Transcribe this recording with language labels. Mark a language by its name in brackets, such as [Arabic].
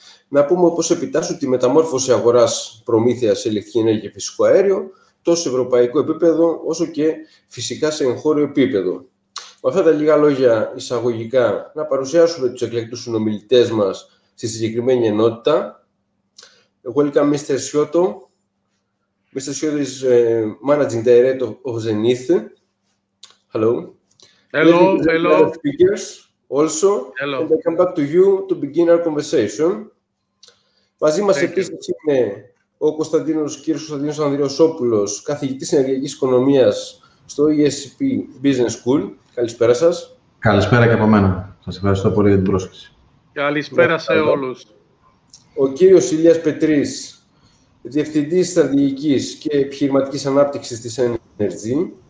[Greek] Να πούμε όπως επιτάσσουν τη μεταμόρφωση αγοράς προμήθειας σε ηλεκτρική ενέργεια και φυσικό αέριο, τόσο σε ευρωπαϊκό επίπεδο, όσο και φυσικά σε εγχώριο επίπεδο. Με αυτά τα λίγα λόγια εισαγωγικά, να παρουσιάσουμε τους εκλεκτούς συνομιλητές μας στη συγκεκριμένη ενότητα. [English] Welcome, Mr. Σιώτο. Mr. Σιώτο is Managing Director of Zenith. Hello. Hello, hello. Speakers also, hello. And I come back to you to begin our conversation. [Greek] Μαζί μας επίσης είναι ο κύριος Κωνσταντίνος Ανδριοσόπουλος, καθηγητής ενεργειακής οικονομίας στο ESCP Business School. Καλησπέρα σας. Καλησπέρα και από μένα. Σας ευχαριστώ πολύ για την πρόσκληση. Καλησπέρα σε όλους. Ο κύριος Ηλίας Πετρής, Διευθυντής Στρατηγικής και Επιχειρηματικής Ανάπτυξης της Energy.